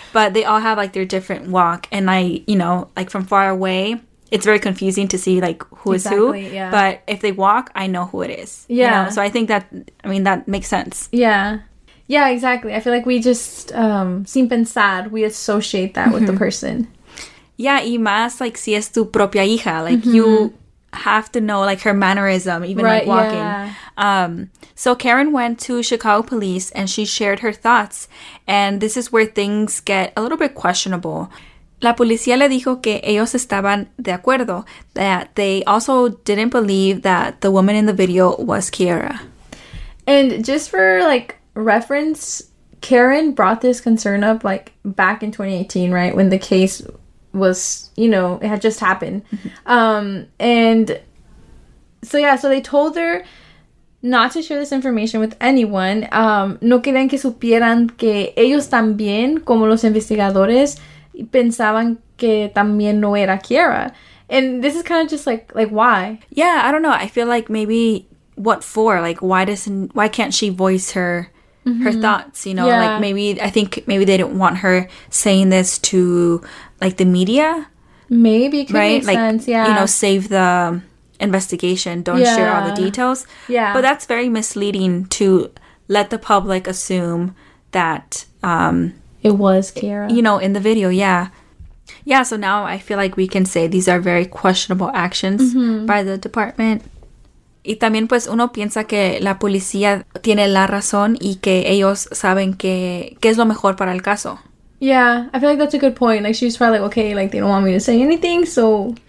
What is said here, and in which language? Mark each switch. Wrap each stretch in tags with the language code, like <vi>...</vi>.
<en>But they all have like their different walk, and I, you know, like from far away, it's very confusing to see like who is exactly, who. Yeah. But if they walk, I know who it is. Yeah. You know? So I think that, I mean, that makes sense. Yeah. Yeah, exactly. I feel like we just seem pensar. We associate that with the person.</en> <es>Yeah, y más, like, si es tu propia hija.</es> <en>Like, you have to know, like, her mannerism, even, right, like, walking. Yeah. So Karen went to Chicago police, and she shared her thoughts. And this is where things get a little bit questionable.</en> <es>La policía le dijo que ellos estaban de acuerdo,</es> <en>that they also didn't believe that the woman in the video was Kiara. And just for, like, reference, Karen brought this concern up, like, back in 2018, right, when the case was, you know, it had just happened. And so, yeah, so they told her not to share this information with anyone.</en> <es>No querían que supieran que ellos también, como los investigadores, pensaban que también no era Kiara.</es> <en>And this is kind of just like, why? Yeah, I don't know. I feel like maybe what for? Like, why can't she voice her thoughts, you know? Yeah. Like, maybe they didn't want her saying this to, like, the media. Maybe, it could, right? Make, like, sense, yeah. You know, save the investigation, don't yeah. share all the details. Yeah. But that's very misleading to let the public assume that it was Kiara. You know, in the video, yeah. Yeah, so now I feel like we can say these are very questionable actions by the department.</en> <es>Y también, pues, uno piensa que la policía tiene la razón y que ellos saben qué es lo mejor para el caso.</es> <en>Yeah, I feel like that's a good point. Like, she's probably like, okay, like, they don't want me to say anything, so...</en>